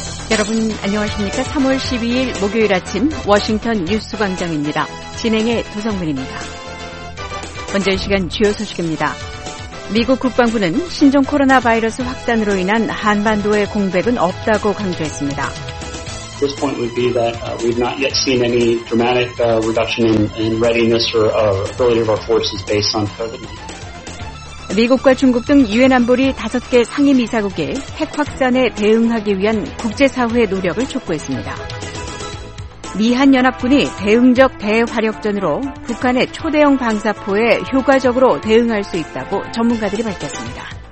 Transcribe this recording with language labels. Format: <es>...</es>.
<ko>여러분 안녕하십니까? 3월 12일 목요일 아침 워싱턴 뉴스 광장입니다. 진행의 조성민입니다. 먼저 이 시간 주요 소식입니다. 미국 국방부는 신종 코로나 바이러스 확산으로 인한 한반도의 공백은 없다고 강조했습니다.</ko> <en>At this point would be that we've not yet seen any dramatic reduction in readiness or ability of our forces based on COVID.</en> <ko>미국과 중국 등 유엔 안보리 5개 상임이사국에 핵 확산에 대응하기 위한 국제사회의 노력을 촉구했습니다. 미한연합군이 대응적 대화력전으로 북한의 초대형 방사포에 효과적으로 대응할 수 있다고 전문가들이 밝혔습니다.</ko>